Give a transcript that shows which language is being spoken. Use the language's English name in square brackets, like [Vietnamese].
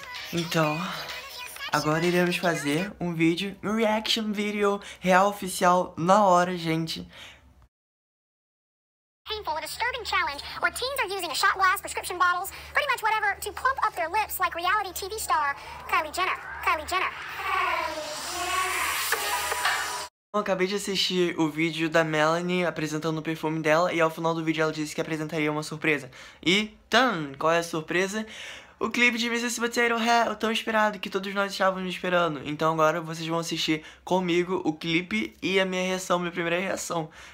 [Portuguese] Então, agora iremos fazer um vídeo, um reaction video real oficial na hora, gente. [English] Painful, a disturbing challenge where teens are using a shot glass, prescription bottles, pretty much whatever to plump up their lips like reality TV star Kylie Jenner. Kylie Jenner. [Portuguese] Bom, acabei de assistir o vídeo da Melanie apresentando o perfume dela e ao final do vídeo ela disse que apresentaria uma surpresa. E, tan, qual é a surpresa? O clipe de Mrs. Potato Head, o tão esperado que todos nós estávamos esperando. Então agora vocês vão assistir comigo o clipe e a minha reação, minha primeira reação.